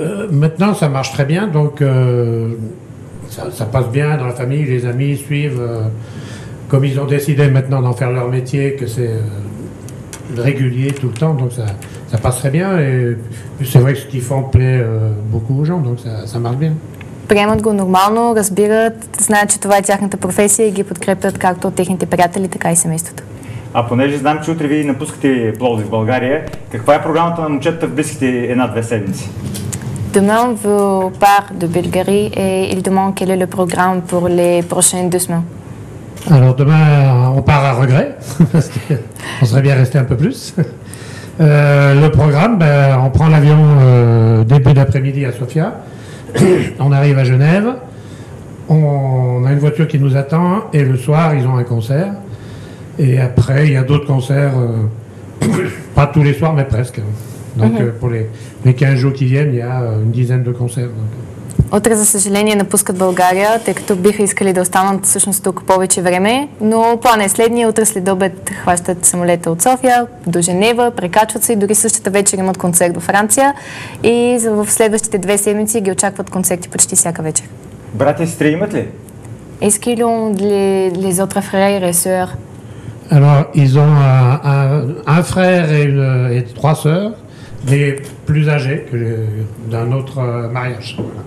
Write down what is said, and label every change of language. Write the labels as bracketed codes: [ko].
[fr] Maintenant, ça marche très bien, donc ça passe bien dans la famille, les amis suivent. Comme ils ont décidé maintenant d'en faire leur métier, que c'est régulier tout le temps, donc ça passe très bien. Et c'est vrai que ce qu'ils font plaît beaucoup aux gens, donc ça marche bien. [bg] Приемат го нормално, разбират, знаят, че това е тяхната професия и ги подкрепят както от техните приятели, така и семейството. А понеже знам, че утре ви напускате Пловдив в България, каква е програмата на момчетата в близките една-две седмици? [fr] Demain vous part de Bulgarie et il demande quel est le programme pour les prochaines deux semaines. Alors demain on part à regret, on serait bien resté un peu plus. Le programme, on prend l'avion début d'après-midi à Sofia. On arrive à Genève, on a une voiture qui nous attend et le soir ils ont un concert et après il y a d'autres concerts, pas tous les soirs mais presque. Donc pour les 15 jours qui viennent il y a une dizaine de concerts. [bg] Утре, за съжаление, напускат България, тъй като биха искали да останат всъщност тук повече време, но планът е следния. Утре след обед хващат самолета от София до Женева, прекачват се и дори същата вечер имат концерт във Франция и в следващите две седмици ги очакват концерти почти всяка вечер. Брати и сестри имат ли? [fr] Est-ce qu'ils ont les autres frères et sœurs? Alors, ils ont un frère et trois sœurs, mais plus âgés que d'un autre mariage.